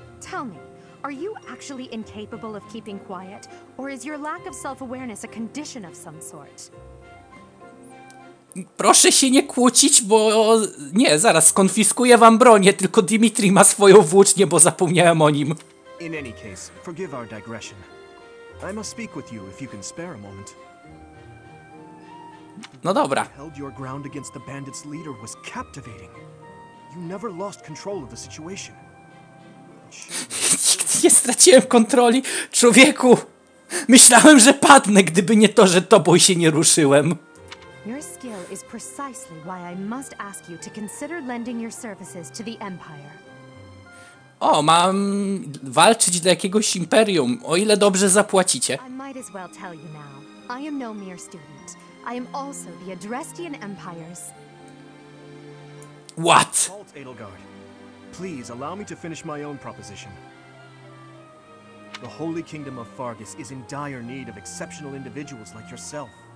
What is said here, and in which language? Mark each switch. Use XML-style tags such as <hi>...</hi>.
<en>Tell me, are you actually incapable of keeping quiet, or is your lack of self-awareness a condition of some sort?</en> <pl>Proszę się nie kłócić, bo... Nie, zaraz, skonfiskuję wam bronię, tylko Dimitri ma swoją włócznię, bo zapomniałem o nim.</pl> <en>In any case, forgive our digression. I must speak with you if you can spare a moment.</en> <pl>No dobra.</pl> <en>Held your ground against the bandit's leader was captivating. You never lost control of the situation.</en> <pl>Nie straciłem kontroli, człowieku. Myślałem, że padnę, gdyby nie to, że tobą się nie ruszyłem.</pl> <en>Your skill is precisely why I must ask you to consider lending your services to the Empire.</en> <pl>O, mam walczyć dla jakiegoś imperium, o ile dobrze zapłacicie.</pl> <en>I might as well tell you now. I am no mere student. I am also the Adrestian Empire's... What? Halt, Edelgard. Please, allow me to finish my own proposition. The Holy Kingdom of Fargus is in dire need of exceptional individuals like yourself.</en>